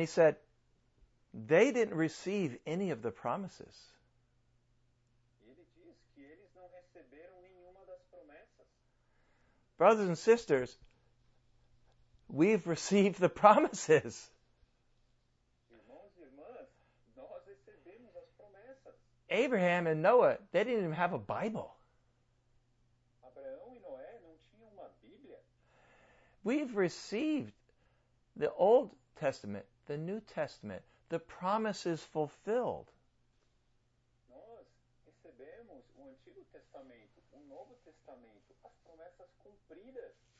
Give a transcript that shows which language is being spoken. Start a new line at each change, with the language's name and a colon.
English: he said, they didn't receive any of the promises.
Portuguese: Ele diz que eles não receberam nenhuma das promessas.
English: Brothers and sisters, we've received the promises.
Portuguese: Irmãos e irmãs, nós recebemos as promessas.
English: Abraham and Noah, they didn't even have a Bible.
Portuguese: Abraão e Noé não tinham uma Bíblia.
English: We've received the Old Testament, the New Testament, the promises fulfilled.
Portuguese: Nós recebemos o Antigo Testamento, o Novo Testamento, as promessas cumpridas.